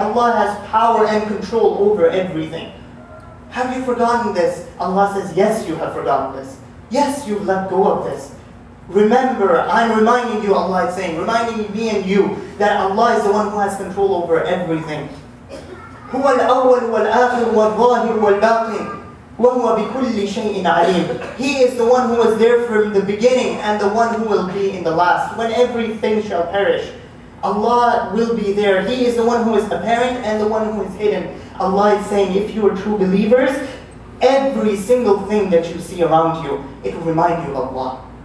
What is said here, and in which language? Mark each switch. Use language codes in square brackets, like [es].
[en] Allah has power and control over everything. Have you forgotten this? Allah says, yes, you have forgotten this. Yes, you've let go of this. Remember, I'm reminding you, Allah is saying, reminding me and you, that Allah is the one who has control over everything. [ar] هو الأول والآخر والظاهر والباطن وهو بكل شيء عليم. [en] He is the one who was there from the beginning and the one who will be in the last, when everything shall perish. Allah will be there. He is the one who is apparent and the one who is hidden. Allah is saying, if you are true believers, every single thing that you see around you, it will remind you of Allah.